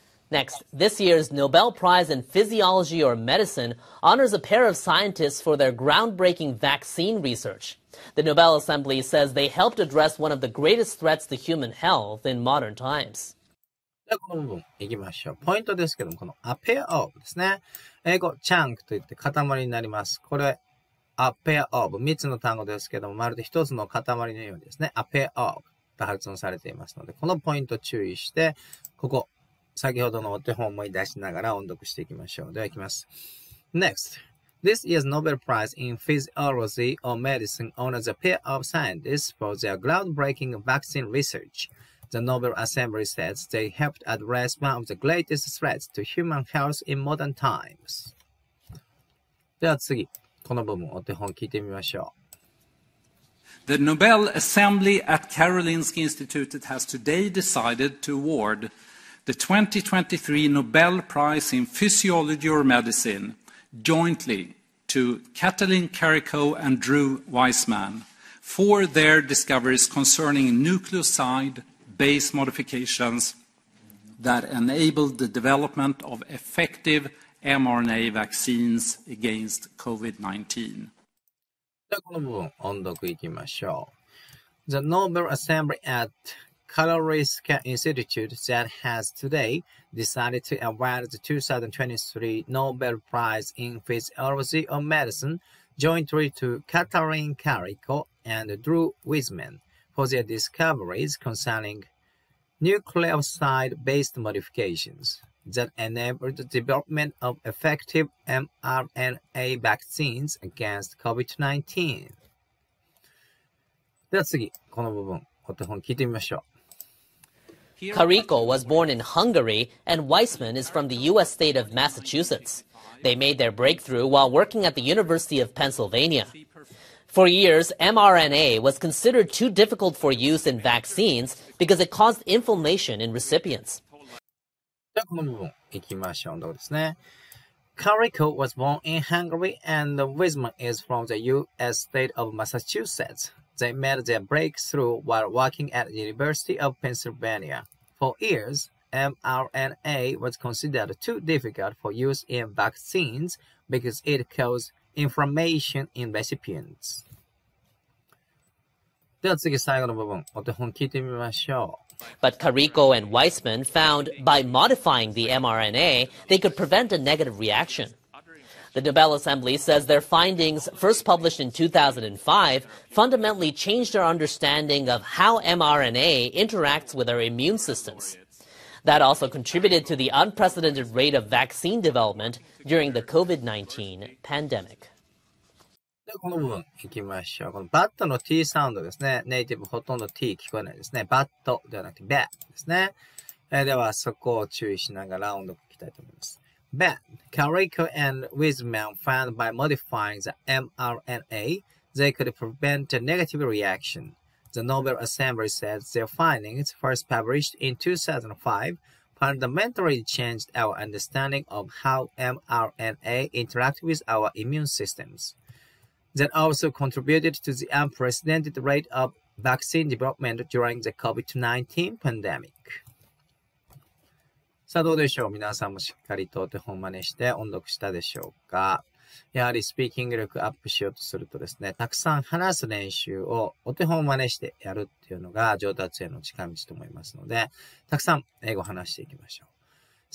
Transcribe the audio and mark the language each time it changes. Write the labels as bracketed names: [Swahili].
[English] Next, this year's Nobel Prize in Physiology or Medicine honors a pair of scientists for their groundbreaking vaccine research. The Nobel Assembly says they helped address one of the greatest threats to human health in modern times. [Japanese] ではこの部分いきましょう。ポイントですけども、この [English] A pair of [Japanese] ですね。英語 chunk といって塊になります。これ [English] a pair of [Japanese] 3つの単語ですけども、まるで一つの塊のようにですね、a pair of と発音されていますので、このポイント注意して、ここ、先ほどのお手本を思い出しながら音読していきましょう。では行きます。 [English] Next. This year's Nobel Prize in Physiology or Medicine honors a pair of scientists for their groundbreaking vaccine research. The Nobel Assembly says they helped address one of the greatest threats to human health in modern times. [Japanese] では次、この部分お手本聞いてみましょう。 [English] The Nobel Assembly at Karolinska Institutet has today decided to award the 2023 Nobel Prize in Physiology or Medicine jointly to Katalin Karikó and Drew Weissman for their discoveries concerning nucleoside base modifications that enable the development of effective mRNA vaccines against COVID-19. [Japanese] この部分音読いきましょう。 [English] The Nobel Assembly at Karolinska Institutet that has today decided to award the 2023 Nobel Prize in Physiology or Medicine jointly to Katalin Karikó and Drew Weissman for their discoveries concerning nucleoside-based modifications that enable the development of effective mRNA vaccines against COVID-19. [Japanese] では次、この部分、お手本聞いてみましょう。 [English] Karikó was born in Hungary and Weissman is from the U.S. state of Massachusetts. They made their breakthrough while working at the University of Pennsylvania. For years, mRNA was considered too difficult for use in vaccines because it caused inflammation in recipients. [Japanese] じゃあこの部分行きましょう。どうですね。 [English] Karikó was born in Hungary and Weissman is from the U.S. state of Massachusetts. They made their breakthrough while working at the University of Pennsylvania. For years, mRNA was considered too difficult for use in vaccines because it caused inflammation in recipients. [Japanese] では次最後の部分、お手本聞いてみましょう。 [English] But Karikó and Weissman found by modifying the mRNA, they could prevent a negative reaction. The Nobel Assembly says their findings, first published in 2005, fundamentally changed our understanding of how mRNA interacts with our immune systems. That also contributed to the unprecedented rate of vaccine development during the COVID-19 pandemic. [Japanese] でこの部分行きましょう。このバットの T サウンドですね。ネイティブほとんど T 聞こえないですね。バットではなくてベッですね。ではそこを注意しながら音読聞きたいと思います。 [English] ベッ、Karikó and Weissman found by modifying the mRNA, they could prevent a negative reaction. The Nobel Assembly said their findings, first published in 2005, fundamentally changed our understanding of how mRNA interacts with our immune systems. That also contributed to the unprecedented rate of vaccine development during the COVID-19 pandemic. [Japanese] さあどうでしょう、皆さんもしっかりとお手本を真似して音読したでしょうか。やはりスピーキング力アップしようとするとですね、たくさん話す練習をお手本を真似してやるっていうのが上達への近道と思いますので、たくさん英語を話していきましょう。